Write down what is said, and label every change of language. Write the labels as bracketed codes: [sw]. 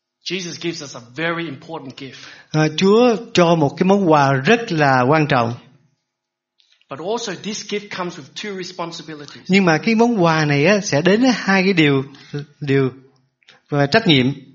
[en] Jesus gives us a very important gift. [vi] Chúa cho một cái món quà rất là quan trọng. [en] But also this gift comes with two responsibilities. [vi] Nhưng mà cái món quà này á sẽ đến hai cái điều và trách nhiệm.